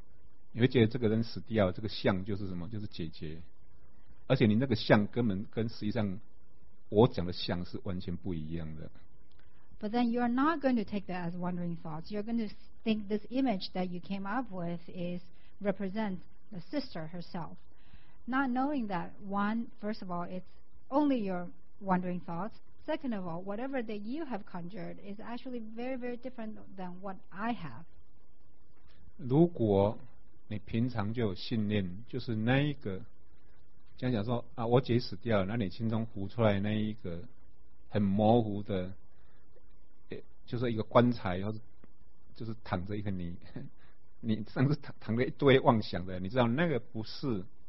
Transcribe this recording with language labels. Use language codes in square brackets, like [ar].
[zh] 可是我们不会觉得这个本身不是那个姐姐啊。你会觉得这个人死掉，这个像就是什么？就是姐姐。而且你那个像根本跟实际上我讲的像是完全不一样的。 [en] But then you are not going to take that as wandering thoughts. You're going to think this image that you came up with is represents the sister herself. not knowing that, one, first of all, it's only your wandering thoughts. Second of all, whatever that you have conjured is actually very, very different than what I have. [zh] 如果你平常就有信念，就是那一个，这样讲说啊，我姐死掉了，那你心中浮出来那一个很模糊的，就是一个棺材，然后就是躺着一个你，你上次躺着一堆妄想的，你知道那个不是。